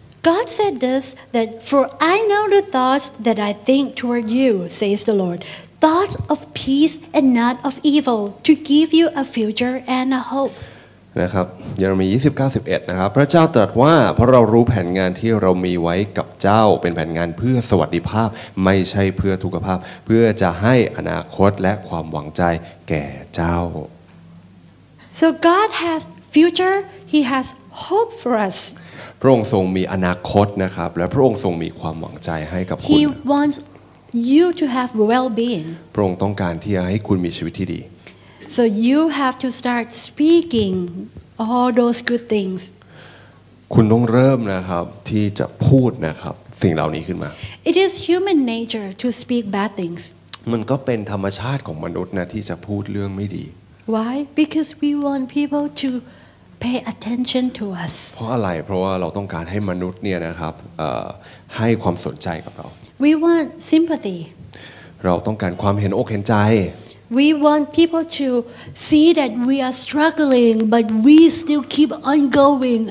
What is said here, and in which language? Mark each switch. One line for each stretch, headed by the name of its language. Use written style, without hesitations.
English: God said this, that for I know the thoughts that I think toward you, says the Lord, thoughts of peace and not of evil, to give you a future and a hope.
Thai: นะครับเยเรมีย์29:11นะครับพระเจ้าตรัสว่าเพราะเรารู้แผนงานที่เรามีไว้กับเจ้าเป็นแผนงานเพื่อสวัสดิภาพไม่ใช่เพื่อทุกขภาพเพื่อจะให้อนาคตและความหวังใจแก่เจ้า
English: So God has future, He has hope for us.
Thai: พระองค์ทรงมีอนาคตนะครับและพระองค์ทรงมีความหวังใจให้กับคุ ณ
English: He wants you to have well-being
Thai: พระองค์ต้องการที่จะให้คุณมีชีวิตที่ดี
English: So you have to start speaking all those good things
Thai: คุณต้องเริ่มนะครับที่จะพูดนะครับสิ่งเหล่านี้ขึ้นมา
English: It is human nature to speak bad things
Thai: มันก็เป็นธรรมชาติของมนุษย์นะที่จะพูดเรื่องไม่ดี
English: Why because we want people toPay attention to us.
Thai: เพราะอะไรเพราะว่าเราต้องการให้มนุษย์เนี่ยนะครับให้ความสนใจกับเรา
English: We want sympathy.
Thai: เราต้องการความเห็นอกเห็นใจ
English: We want people to see that we are struggling but we still keep on going.